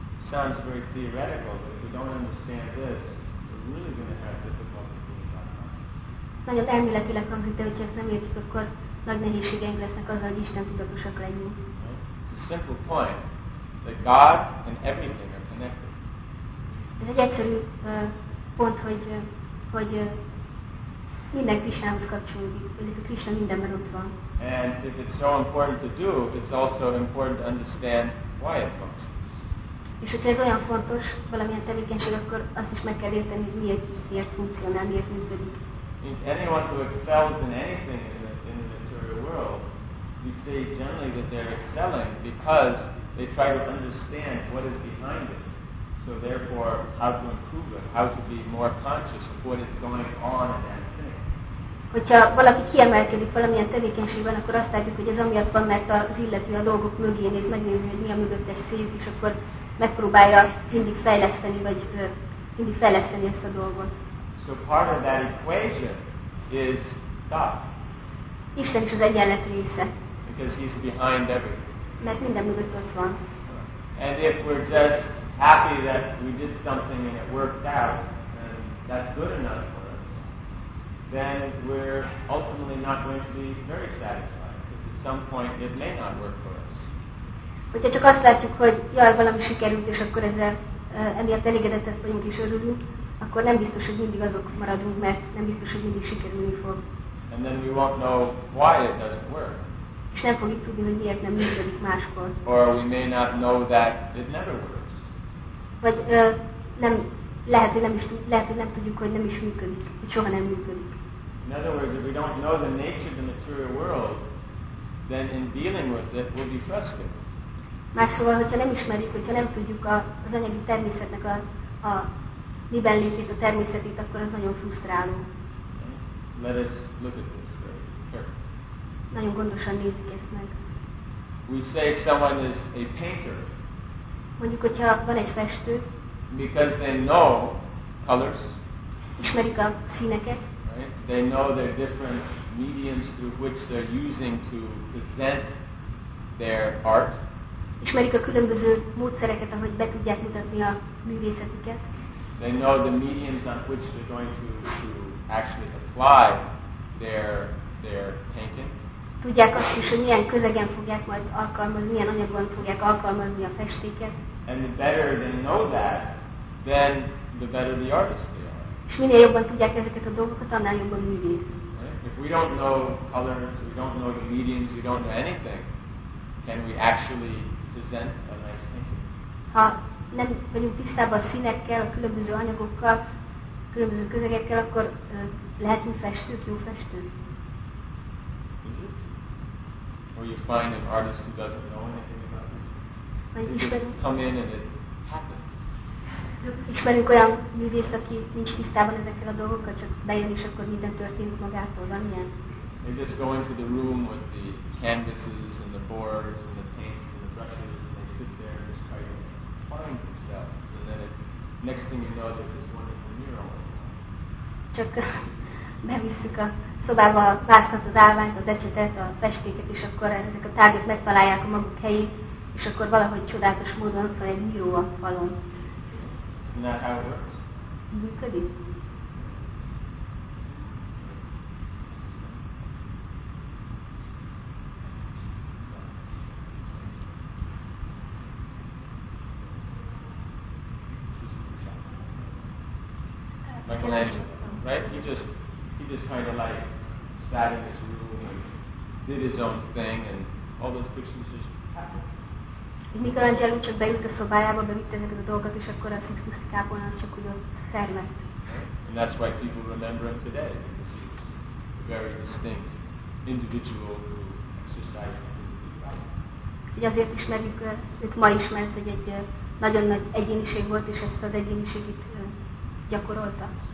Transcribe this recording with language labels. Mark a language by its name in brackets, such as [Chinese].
[English] Sounds very theoretical, but if we don't understand this, we're really going to have difficulty doing that. [Hungarian] Nagyon elméletileg hangzik, de hogyha ezt nem értjük, akkor nagy nehézségeink lesznek azzal, hogy Isten tudatosak legyünk. [English] It's a simple point that God and everything are connected. [Hungarian] Ez egy egyszerű pont, hogy minden Krisnához kapcsolódik, illetve Krisna mindenben ott van. [English] And if it's so important to do, it's also important to understand why it functions. [Hungarian] És hogyha ez olyan fontos valamilyen tevékenység, akkor azt is meg kell érteni, hogy miért funkcionál, miért működik. [English] If anyone who excels in anything in the material world, we say generally that they're excelling because they try to understand what is behind it. So therefore, how to improve it, how to be more conscious of what is going on in that thing. [Hungarian] Hogyha valaki kiemelkedik valamilyen tevékenységben, akkor azt látjuk, hogy ez amiatt van, mert az illető a dolgok mögé néz, megnézni, hogy mi a mögöttes céljuk, és akkor megpróbálja mindig fejleszteni, vagy mindig fejleszteni ezt a dolgot. [English] So part of that equation is God. [Hungarian] Isten is az egyenlet része. [English] Because he's behind everything. [Hungarian] Mert minden mögött ott van. [English] And if we're just happy that we did something and it worked out, and that's good enough for us, then we're ultimately not going to be very satisfied. Because at some point it may not work for us. [Hungarian] Hogyha csak azt látjuk, hogy jaj, valami sikerült, és akkor ezzel emiatt elégedettek vagyunk és örülünk, akkor nem biztos, hogy mindig azok maradunk, mert nem biztos, hogy mindig sikerülni fog. [English] And then we won't know why it doesn't work. [Hungarian] És nem fogjuk tudni, hogy miért nem működik máskor. [English] Or we may not know that it never works. [Hungarian] Vagy lehet, hogy nem tudjuk, hogy nem is működik, hogy soha nem működik. [English] In other words, if we don't know the nature of the material world, then in dealing with it, we'll be frustrated. [Hungarian] Más szóval, hogyha nem ismerjük, hogyha nem tudjuk az anyagi természetnek a miben létét, a természetét, akkor az nagyon frusztráló. [English] Let us look at this very carefully. [Hungarian] Nagyon gondosan nézzük ezt meg. [English] We say someone is a painter. [Hungarian] Mondjuk, hogyha van egy festő. [English] Because they know colors. [Hungarian] Ismerik a színeket. [English] Right? They know their different mediums through which they're using to present their art. [Hungarian] Ismerik a különböző módszereket, ahogy be tudják mutatni a művészetüket. [English] They know the mediums on which they're going to actually apply their painting. [Hungarian] Tudják azt is, hogy milyen közegen fogják majd alkalmazni, milyen anyagon fogják alkalmazni a festéket. [English] And the better they know that, then the better the artist they are. [Hungarian] És minél jobban tudják ezeket a dolgokat, annál jobban művész. [English] Right? If we don't know colors, we don't know the mediums, we don't know anything, can we actually present a nice painting? [Hungarian] Ha nem vagyunk tisztában a színekkel, a különböző anyagokkal, a különböző közegekkel, akkor lehetünk festők, jó festők? Mm-hmm. [English] Or you find an artist who doesn't know anything about painting. They come in and it happens. [Hungarian] Ismerünk olyan művészt, aki nincs tisztában ezekkel a dolgokkal, csak bejön és akkor minden történik magától, van ilyen? [English] They just go into the room with the canvases and the boards and the paints and the brushes and they sit there and just try to find themselves. And then next thing you know, there's this wonderful mural. [Hungarian] Csak beviszik a szobába a vásznat, az állványt, az ecsetet, a festéket, és akkor ezek a tárgyak megtalálják a maguk helyét, és akkor valahogy csodálatos módon ott van egy mural a falon. [English] Isn't that how it works? [Hungarian] Működik. [English] He just kind of like sat in his room and did his own thing, and all those pictures just happened. [Hungarian] Michelangelo csak bejut a szobájába, bevitt ezeket a dolgokat, és akkor a Sixtus kápolna, csak úgy ott szermett. [English] And that's why people remember him today, because he was a very distinct individual who exercised his life. [Hungarian] Ugye azért ismerjük őt ma is, mert egy nagyon nagy egyéniség volt, és ezt az egyéniségét gyakorolta.